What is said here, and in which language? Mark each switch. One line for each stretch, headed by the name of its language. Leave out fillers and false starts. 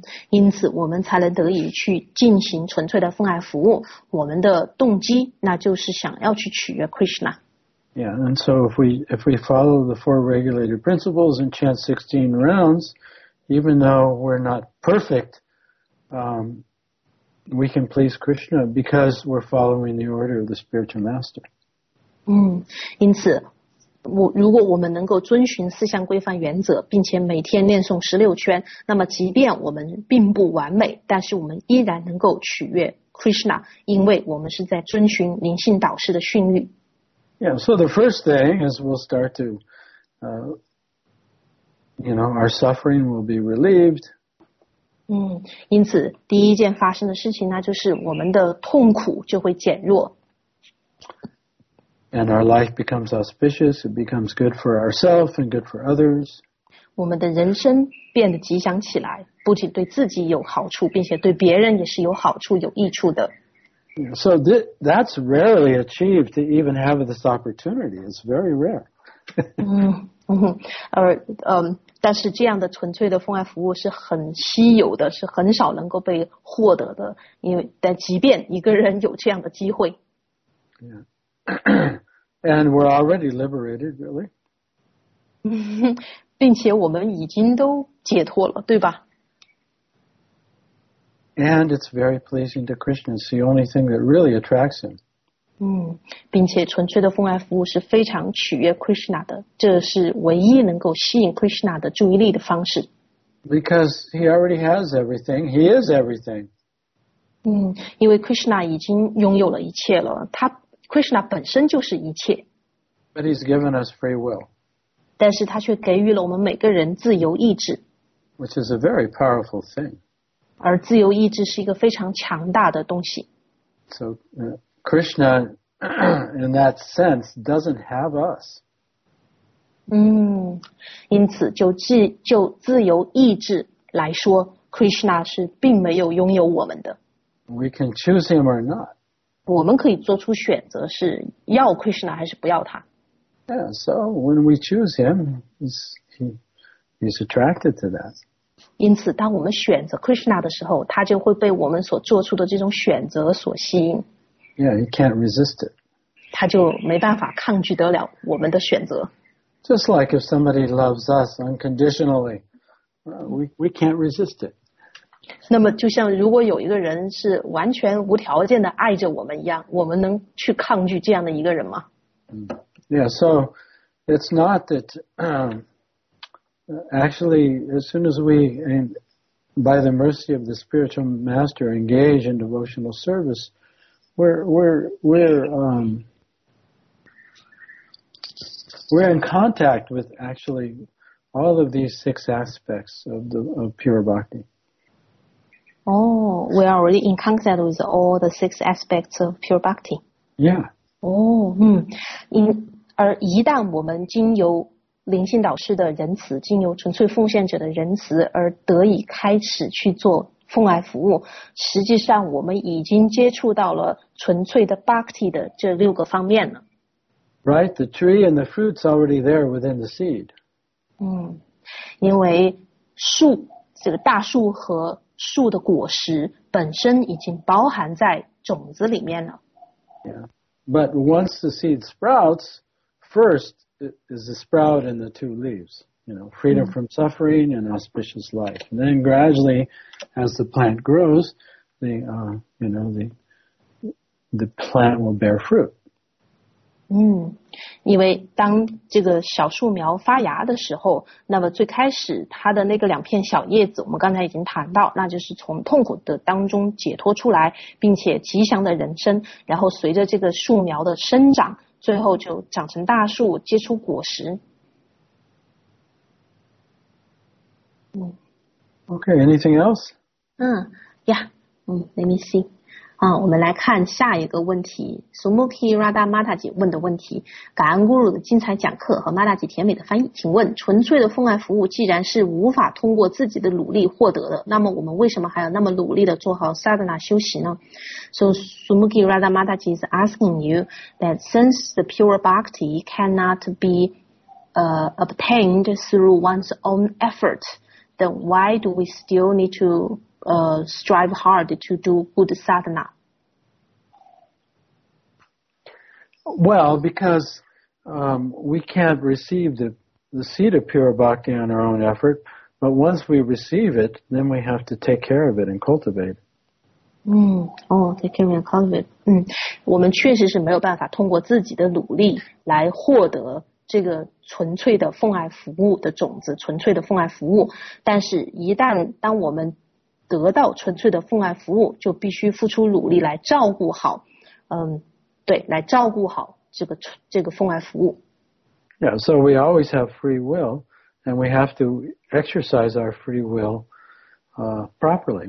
Chinese: 因此我们才能得以去进行纯粹的奉爱服务。我们的动机那就是想要去取悦 Krishna。
English: Yeah, and so if we follow the four regulated principles and chant 16 rounds, even though we're not perfect, we can please Krishna because we're following the order of the spiritual master.
Chinese: 因此如果我们能够遵循四项规范原则，并且每天念诵十六圈，那么即便我们并不完美，但是我们依然能够取悦 Krishna， 因为我们是在遵循灵性导师的训谕。
English: Yeah, so the first thing is we'll start to, our suffering will be relieved.
Chinese: 因此第一件发生的事情呢，就是我们的痛苦就会减弱。
English: And our life becomes auspicious, it becomes good for ourselves and good for others.
Chinese: 我们的人生变得吉祥起来，不仅对自己有好处，并且对别人也是有好处、有益处的。
English: So that's rarely achieved to even have this opportunity. It's very rare.
Chinese: 但是这样的纯粹的奉爱服务是很稀有的，是很少能够被获得的。因为但即便一个人有这样的机会
English: ，And we're already liberated, really.
Chinese: 并且我们已经都解脱了，对吧？
English: And it's very pleasing to Krishna. It's the only thing that really attracts him.
Chinese: 并且纯粹的奉爱服务是非常取悦 Krishna 的，这是唯一能够吸引 Krishna 的注意力的方式。
English: Because he already has everything. He is everything.
Chinese: 因为 Krishna 已经拥有了一切了，他 Krishna 本身就是一切。
English: But he's given us free will.
Chinese: 但是他却给予了我们每个人自由意志。
English: Which is a very powerful thing.
Chinese: 而自由意志是一个非常强大的东西。
English: So, Krishna, in that sense, doesn't have us.
Chinese: 因此就自由意志来说 ，Krishna 是并没有拥有我们的。
English: We can choose him or not.
Chinese: 我们可以做出选择是要 Krishna 还是不要他。
English: Yeah, so when we choose him, he's attracted to that.
Chinese: 因此当我们选择 Krishna 的时候他就会被我们所做出的这种选择所吸引。
English: Yeah, he can't resist it.
Chinese: 他就没办法抗拒得了我们的选择。
English: Just like if somebody loves us unconditionally, we can't resist it.
Chinese: 那么就像如果有一个人是完全无条件的爱着我们一样，我们能去抗拒这样的一个人吗？
English: Yeah, so it's not that, actually, as soon as we, by the mercy of the spiritual master, engage in devotional service, we're in contact with actually all of these six aspects of pure bhakti. Oh, we are already in contact with all the six aspects of pure bhakti. Yeah.
Chinese: Oh, 而一旦我们经由灵性导师的仁慈，经由纯粹奉献者的仁慈而得以开始去做奉爱服务，实际上我们已经接触到了纯粹的 bhakti 的这六个方面了。
English: Right, the tree and the fruit's already there within the seed.
Chinese: 因为树，这个大树和树的果实本身已经包含在种子里面了。
English: Yeah, but once the seed sprouts, first is the sprout and the two leaves, you know, freedom from suffering and auspicious life. And then gradually, as the plant grows, the plant will bear fruit.
Chinese: 因为当这个小树苗发芽的时候，那么最开始它的那个两片小叶子，我们刚才已经谈到，那就是从痛苦的当中解脱出来，并且吉祥的人生，然后随着这个树苗的生长，最后就长成大树，结出果实。
English: Okay, anything else? Let me see.
Chinese: 我们来看下一个问题。 Sumuki Radha Mataji 问的问题，感恩 Guru 的精彩讲课和 Mataji 甜美的翻译。请问，纯粹的奉爱服务既然是无法通过自己的努力获得的，那么我们为什么还要那么努力的做好 Sadhana 修习呢？
English: So Sumuki Radha Mataji is asking you that since the pure bhakti cannot be obtained through one's own effort, then why do we still need to strive hard to do good sadhana? Well, because we can't receive the seed of pure bhakti on our own effort, but once we receive it, then we have to take care of it and cultivate. Take care of it and cultivate.
Chinese: 我们确实是没有办法通过自己的努力来获得这个纯粹的奉爱服务的种子，纯粹的奉爱服务。但是一旦当我们得到纯粹的奉爱服务，就必须付出努力来照顾好，来照顾好这个奉爱服务。
English: Yeah, so we always have free will, and we have to exercise our free will properly.